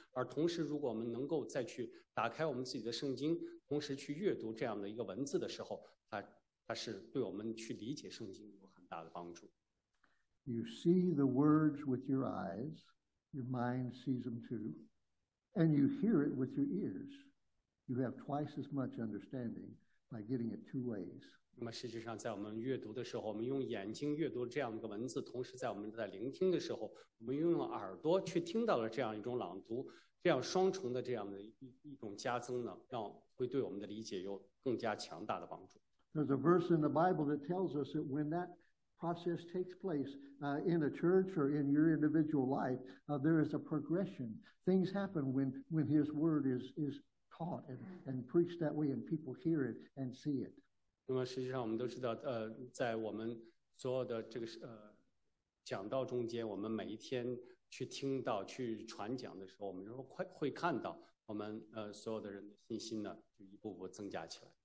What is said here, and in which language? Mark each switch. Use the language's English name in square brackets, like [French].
[Chinese] 而同时如果我们能够再去打开我们自己的圣经，同时去阅读这样的一个文字的时候， 它是对我们去理解圣经有很大的帮助。 [English] You see the words with your eyes, your mind sees them too, and you hear it with your ears. You have twice as much understanding by getting it two ways. [Chinese] 那么实际上在我们阅读的时候，我们用眼睛阅读这样的文字，同时在我们在聆听的时候，我们用耳朵去听到了这样一种朗读，这样双重的这样的 一种加增呢，让会对我们的理解有更加强大的帮助。 [English] There's a verse in the Bible that tells us that when that process takes place in a church or in your individual life, there is a progression. Things happen when his word is taught and preached that way and people hear it and see it. [Chinese] 那么实际上我们都知道，在我们所有的这个讲道中间，我们每一天去听到去传讲的时候，我们会看到我们所有的人的信心呢就一步步增加起来。